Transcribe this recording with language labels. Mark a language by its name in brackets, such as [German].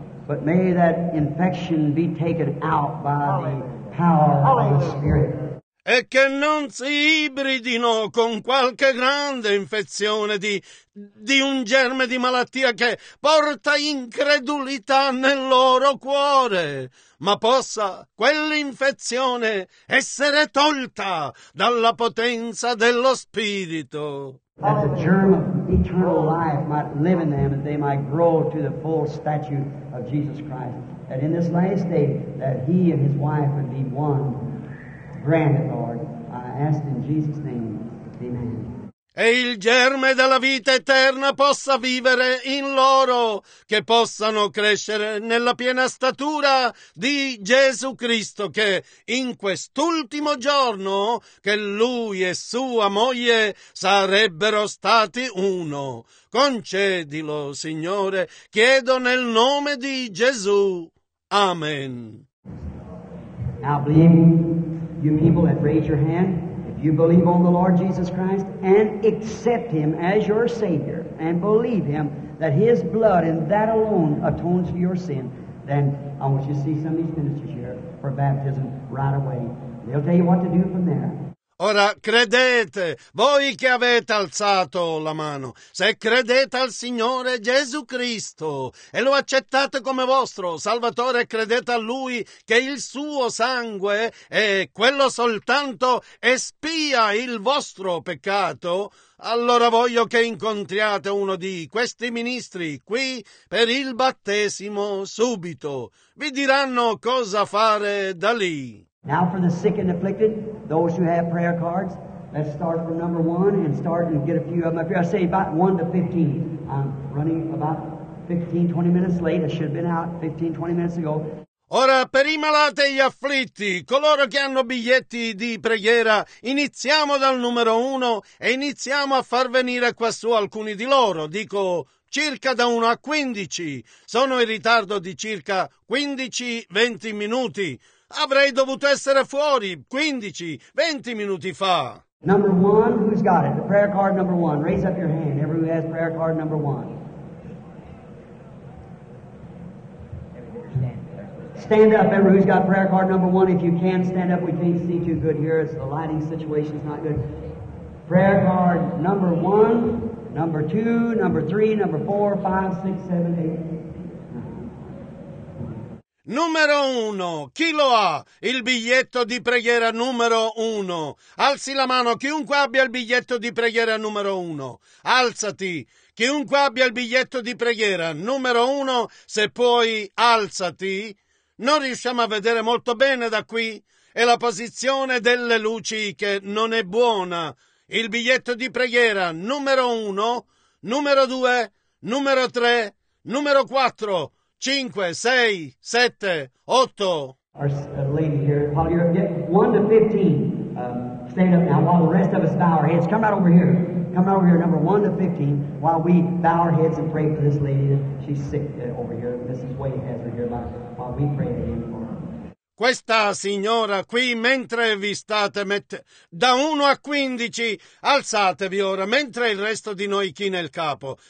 [English] But may that infection be taken out by the power of the Spirit. [Italian] E che non si ibridino con qualche grande infezione di un germe di malattia che porta incredulità nel loro cuore, ma possa quell'infezione essere tolta dalla potenza dello Spirito. [English] That the germ of eternal life might live in them, that they might grow to the full stature of Jesus Christ. That in this last day, that he and his wife would be one. Grant it, Lord. I ask in Jesus' name. Amen. [Italian] E il germe della vita eterna possa vivere in loro, che possano crescere nella piena statura di Gesù Cristo, che in quest'ultimo giorno che lui e sua moglie sarebbero stati uno. Concedilo, Signore, chiedo nel nome di Gesù. Amen. [English] Now believe you people that raise your hand. You believe on the Lord Jesus Christ and accept Him as your Savior and believe Him that His blood and that alone atones for your sin, then I want you to see some of these ministers here for baptism right away. They'll tell you what to do from there. [Italian] Ora credete, voi che avete alzato la mano, se credete al Signore Gesù Cristo e lo accettate come vostro Salvatore, credete a Lui che il suo sangue e quello soltanto espia il vostro peccato, allora voglio che incontriate uno di questi ministri qui per il battesimo subito. Vi diranno cosa fare da lì. [English] Now for the sick and afflicted, those who have prayer cards, let's start from number one and start and get a few of them up here. I say about 1 to 15. I'm running about 15, 20 minutes late. I should have been out 15, 20 minutes ago. [Italian] Ora, per i malati e gli afflitti, coloro che hanno biglietti di preghiera, iniziamo dal numero uno e iniziamo a far venire quassù alcuni di loro. Dico circa da 1 a 15. Sono in ritardo di circa 15-20 minuti. Avrei dovuto essere fuori 15-20 minuti fa. [English] Number one, who's got it? The prayer card number one. Raise up your hand, everyone who has prayer card number one. Stand up, everyone who's got prayer card number one. If you can't stand up, we can't see too good here. It's the lighting situation is not good. Prayer card number one, number two, number three, number four, five, six, seven, eight. [Italian] Numero uno, chi lo ha? Il biglietto di preghiera numero uno. Alzi la mano, chiunque abbia il biglietto di preghiera numero uno. Alzati, chiunque abbia il biglietto di preghiera numero uno, se puoi, alzati. Non riusciamo a vedere molto bene da qui. È la posizione delle luci che non è buona. Il biglietto di preghiera numero uno, numero due, numero tre, numero quattro. 5, 6, 7, 8. [English] Our lady here, while you're getting 1 to 15, stand up now while the rest of us bow our heads. Come right over here. Come right over here, number 1 to 15, while we bow our heads and pray for this lady. She's sick over here. Mrs. Wade has her here, while we pray for her. [Italian] Questa signora qui, mentre vi state da 1 a 15, alzatevi ora, mentre il resto di noi china il capo.